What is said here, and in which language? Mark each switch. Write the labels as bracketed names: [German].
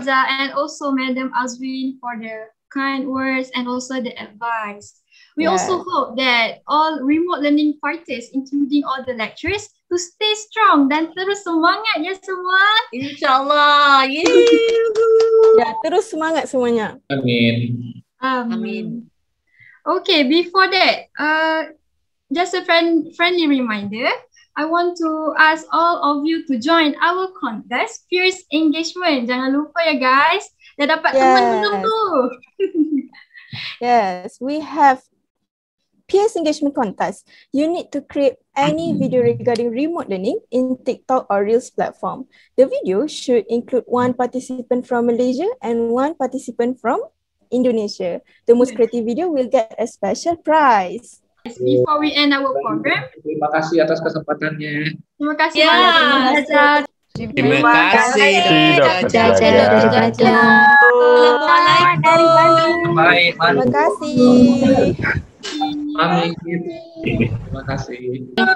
[English] Djadja, and also Madam Azwin for the kind words and also the advice. We also hope that all remote learning parties, including all the lecturers, to stay strong [Malay] dan terus semangat ya semua. Insyaallah. Ya, terus semangat semuanya. Amin. [English] Amin. Okay, before that, just a friendly reminder. I want to ask all of you to join our contest, Fierce Engagement. [Malay] Jangan lupa ya guys. Dah dapat teman belum tu. [English] Yes, we have Peers Engagement Contest. You need to create any video regarding remote learning in TikTok or Reels platform. The video should include one participant from Malaysia and one participant from Indonesia. The most creative video will get a special prize. Before we end our program. [Malay] Terima kasih atas kesempatannya. Terima kasih banyak. Terima kasih Terima kasih. Amin. Terima kasih.